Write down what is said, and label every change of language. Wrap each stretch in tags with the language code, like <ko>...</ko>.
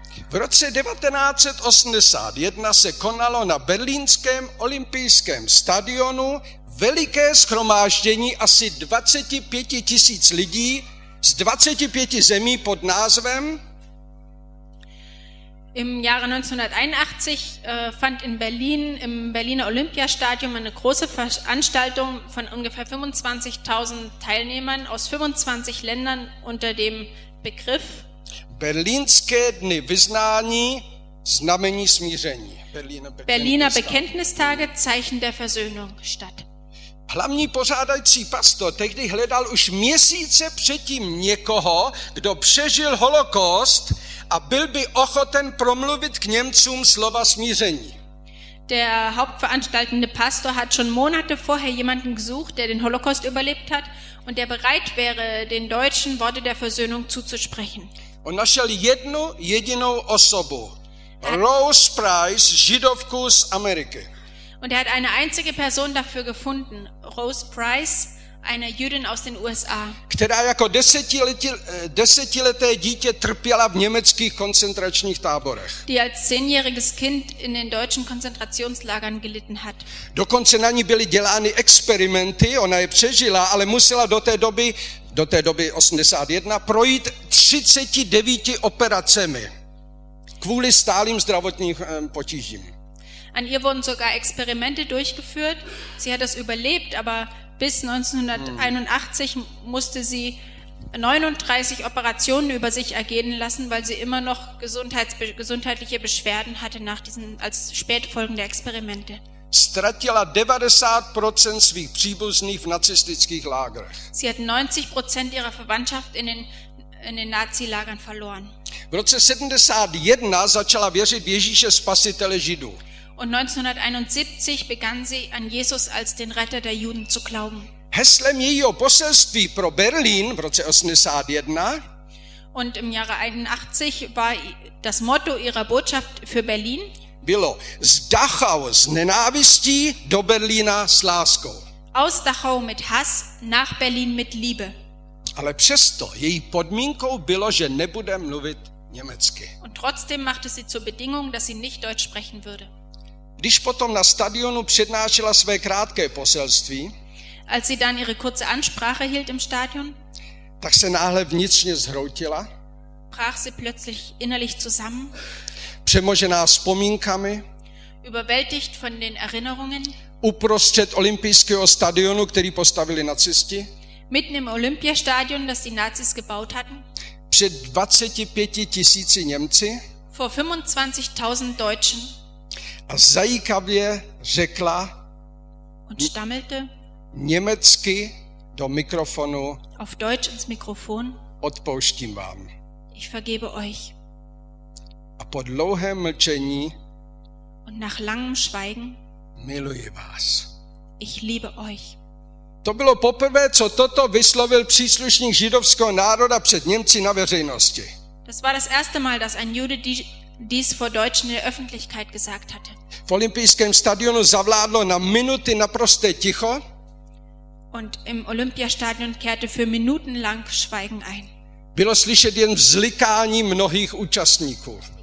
<cs>V roce 1981 se konalo na berlínském olympijském stadionu veliké shromáždění asi 25 tisíc lidí z 25 zemí pod názvem.</cs> <de>Im Jahre 1981 fand in Berlin im Berliner Olympiastadion eine große Veranstaltung von ungefähr 25.000 Teilnehmern aus 25 Ländern unter dem Begriff</de> <cs>Berlínské dny vyznání, znamení smíření.</cs> <de>Berliner Bekenntnistage, Zeichen der Versöhnung statt.</de> <cs>Hlavní pořádající pastor tehdy hledal už měsíce předtím někoho, kdo přežil holokost a byl by ochoten promluvit k Němcům slova smíření.</cs> <de>Der hauptveranstaltende Pastor hat schon Monate vorher jemanden gesucht, der den Holocaust überlebt hat und der bereit wäre, den Deutschen Worte der Versöhnung zuzusprechen.</de> <cs>On našel jednu jedinou osobu. Rose Price, židovku z Ameriky.</cs> <de>Und er hat eine einzige Person dafür gefunden, Rose Price, eine Jüdin aus den USA.</de> <cs>Která jako desetileté dítě trpěla v německých koncentračních táborech.</cs> <de>Die als zehnjähriges Kind in den deutschen Konzentrationslagern gelitten hat.</de> <cs>Dokonce na ní byly dělány experimenty, ona je přežila, ale musela do té doby 81 projít 39 operacemi kvůli stálým zdravotním potížím.</cs> <de>An ihr wurden sogar Experimente durchgeführt. Sie hat das überlebt, aber bis 1981 musste sie 39 Operationen über sich ergehen lassen, weil sie immer noch gesundheitliche Beschwerden hatte nach diesen als Spätfolgen der Experimente.</de> <cs>Ztratila 90% svých příbuzných v nazistických lágrech.</cs> <de>Sie hat 90% ihrer Verwandtschaft in den Nazi-Lagern verloren.</de> <cs>V roce 71 začala věřit v Ježíše Spasitele Židů.</cs> <de>Und 1971 begann sie an Jesus als den Retter der Juden zu glauben.</de> <cs>Heslem jejího poselství pro Berlín v roce 81</cs> <de>Und im Jahre 81 war das Motto ihrer Botschaft für Berlin:</de> <cs>Bylo, z Dachau z nenávistí do Berlína s láskou.</cs> <de>Aus Dachau mit Hass, nach Berlin mit Liebe.</de> <cs>Ale přesto její podmínkou bylo, že nebude mluvit německy.</cs> <de>Und trotzdem machte sie zur Bedingung, dass sie nicht Deutsch sprechen würde.</de> <cs>Když potom na stadionu přednášela své krátké poselství,</cs> <de>als sie dann ihre kurze Ansprache hielt im Stadion,</de> <cs>tak se náhle vnitřně zhroutila,</cs> <de>brach sie plötzlich innerlich zusammen,</de> <cs>přemožená vzpomínkami,</cs> <de>überwältigt von den Erinnerungen,</de> <cs>uprostřed olympijského stadionu, který postavili nacisti,</cs> <de>mitten im Olympiastadion, das die Nazis gebaut hatten,</de> <cs>před 25 tisíci Němci,</cs> <de>vor 25.000 Deutschen,</de> <cs>a zajíkavě řekla</cs> <de>und stammelte</de> <cs>německy do mikrofonu</cs> <de>auf Deutsch ins Mikrofon,</de> <cs>odpouštím vám.</cs> <de>Ich vergebe euch.</de> <cs>A po dlouhém mlčení</cs> <de>und nach langem Schweigen,</de> <cs>miluji vás.</cs> <de>Ich liebe euch.</de> <cs>To bylo poprvé, co toto vyslovil příslušník židovského národa před Němci na veřejnosti.</cs> <de>Das war das erste Mal, dass ein Jude dies vor Deutschen in der Öffentlichkeit gesagt hatte.</de> <cs>V olympijském stadionu zavládlo na minuty naprosté ticho.</cs> <de>Und im Olympiastadion kehrte für Minuten lang Schweigen ein.</de> <cs>Bylo slyšet jen vzlikání mnohých účastníků.</cs>